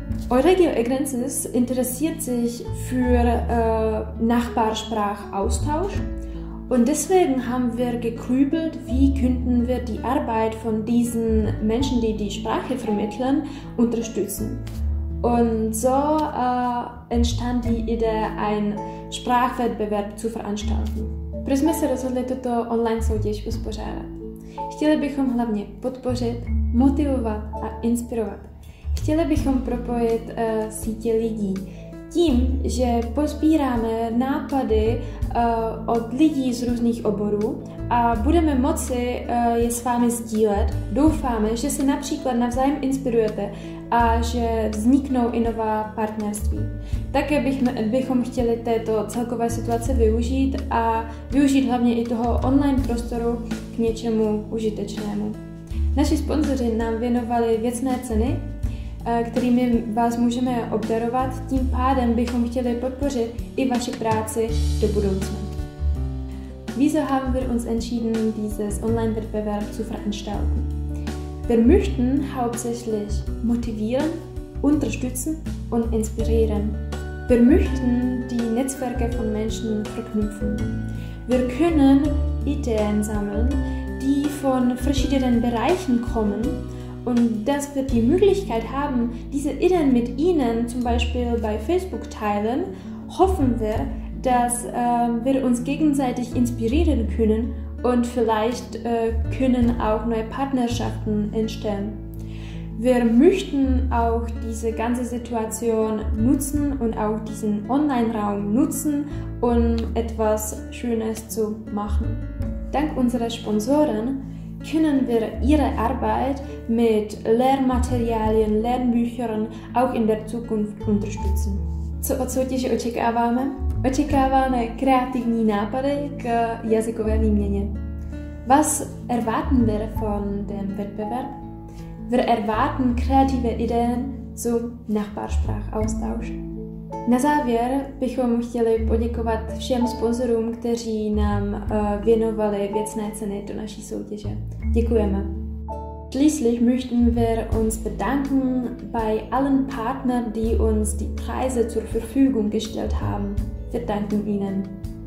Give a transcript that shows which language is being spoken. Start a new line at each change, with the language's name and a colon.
German: Euregio Egrecis interessiert sich für Nachbarsprachaustausch und deswegen haben wir gegrübelt, wie könnten wir die Arbeit von diesen Menschen, die die Sprache vermitteln, unterstützen. Und so entstand die Idee, einen Sprachwettbewerb zu veranstalten.
Czech: Proč jsme se rozhodli tuto online soutěž uspořádat? Chtěli bychom hlavně podpořit, motivovat a inspirovat. Chtěli bychom propojit sítě lidí tím, že pozbíráme nápady od lidí z různých oborů a budeme moci je s vámi sdílet. Doufáme, že se například navzájem inspirujete a že vzniknou i nová partnerství. Také bychom chtěli této celkové situace využít a využít hlavně i toho online prostoru k něčemu užitečnému. Naši sponzoři nám věnovali věcné ceny, kterými vás můžeme obdarovat, tím pádem bychom chtěli podpořit i vaši práci do budoucna.
German: Wieso haben wir uns entschieden, dieses Online-Wettbewerb zu veranstalten? Wir möchten hauptsächlich motivieren, unterstützen und inspirieren. Wir möchten die Netzwerke von Menschen verknüpfen. Wir können Ideen sammeln, die von verschiedenen Bereichen kommen und dass wir die Möglichkeit haben, diese Ideen mit Ihnen zum Beispiel bei Facebook teilen, hoffen wir, dass wir uns gegenseitig inspirieren können und vielleicht können auch neue Partnerschaften entstehen. Wir möchten auch diese ganze Situation nutzen und auch diesen Online-Raum nutzen, um etwas Schönes zu machen. Dank unserer Sponsoren können wir Ihre Arbeit mit Lernmaterialien, Lernbüchern auch in der Zukunft unterstützen.
Czech: Co od soutěže očekáváme? Očekáváme kreativní nápady k jazykové výměně.
German: Was erwarten wir von dem Wettbewerb? Wir erwarten kreative Ideen zum Nachbarsprachaustausch.
Czech: Na závěr bychom chtěli poděkovat všem sponzorům, kteří nám věnovali věcné ceny do naší soutěže. Děkujeme.
German: Schließlich möchten wir uns bedanken bei allen Partnern, die uns die Preise zur Verfügung gestellt haben. Wir danken Ihnen.